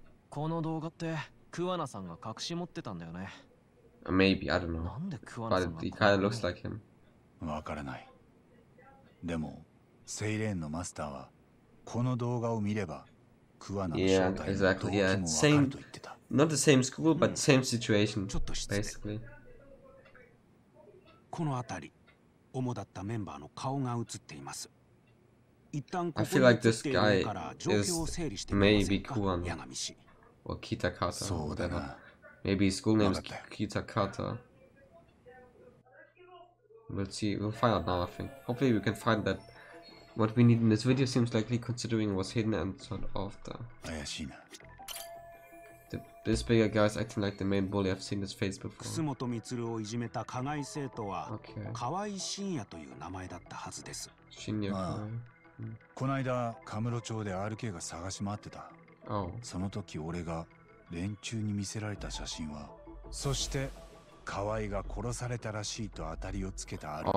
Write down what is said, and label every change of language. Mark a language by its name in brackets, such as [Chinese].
[Japanese] この動画って桑名さんが隠し持ってたんだよね。 [English] Maybe, I don't know. But he kind of looks like him. わからない。 [Japanese] でも、セイレーンのマスターはこの動画を見れば桑名の正体の動機もわかると言ってた。 [English] Yeah, exactly. Yeah, Not the same school, but same situation, basically. [Japanese] この辺り、主だったメンバーの顔が映っています。一旦ここに来てみるから状況を整理してみませんか。 [English] Maybe Kuwano or Kitakata or whatever. そうだな。 Maybe school name is Kitakata. We'll see. We'll find out now, I think. Hopefully we can find that what we need in this video seems likely considering it was hidden and sort of the... [Japanese] 怪しいな。 [English] This bigger guy is acting like the main bully. I've seen his face before. [Japanese] 楠本光をいじめた加害生徒は河合信也という名前だったはずです。信也。この間、カムロ町で RK が探し回ってた。 [English] Oh. [Japanese] その時、俺が連中に見せられた写真は、そして河合が殺されたらしいと当たりをつけた RK。